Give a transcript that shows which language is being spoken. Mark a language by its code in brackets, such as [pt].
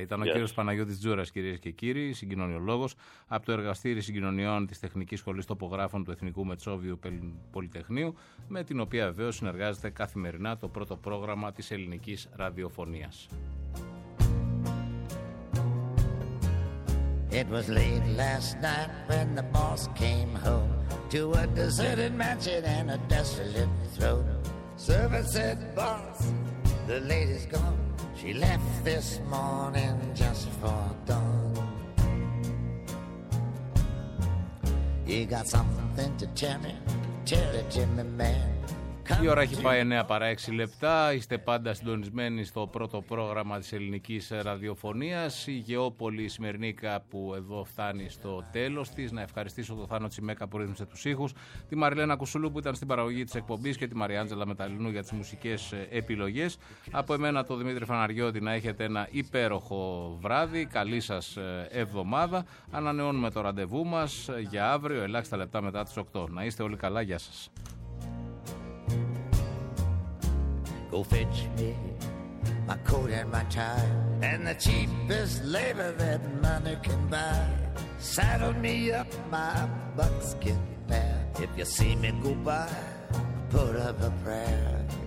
[el] Ήταν ο κύριος Παναγιώτης Τζούρας, κυρίες και κύριοι, συγκοινωνιολόγος από το Εργαστήρι Συγκοινωνιών της Τεχνικής Σχολής Τοπογράφων του Εθνικού Μετσόβιου Πολυτεχνείου, με την οποία βεβαίως συνεργάζεται καθημερινά το πρώτο πρόγραμμα της ελληνικής ραδιοφωνίας. [en] It was late last night when the boss came home to a deserted mansion and a desolate throne. Servant said, "Boss, the lady's gone. She left this morning just for dawn. You got something to tell me? Tell it to me, man." [el] Η ώρα έχει πάει 9 παρά 6 λεπτά. Είστε πάντα συντονισμένοι στο πρώτο πρόγραμμα της ελληνικής ραδιοφωνίας. Η Γεώπολη σημερινή κάπου εδώ φτάνει στο τέλος της. Να ευχαριστήσω τον Θάνο Τσιμέκα που ρύθμισε τους ήχους, τη Μαριλένα Κουσουλού που ήταν στην παραγωγή της εκπομπής και τη Μαριάντζελα Μεταλλινού για τις μουσικές επιλογές. Από εμένα, τον Δημήτρη Φαναριώτη, να έχετε ένα υπέροχο βράδυ. Καλή σας εβδομάδα. Ανανεώνουμε το ραντεβού μας για αύριο, ελάχιστα λεπτά μετά τις 8. Να είστε όλοι καλά. Γεια σας. [en] Go fetch me my coat and my tie and the cheapest labor that money can buy. Saddle me up my buckskin mare. If you see me go by, put up a prayer.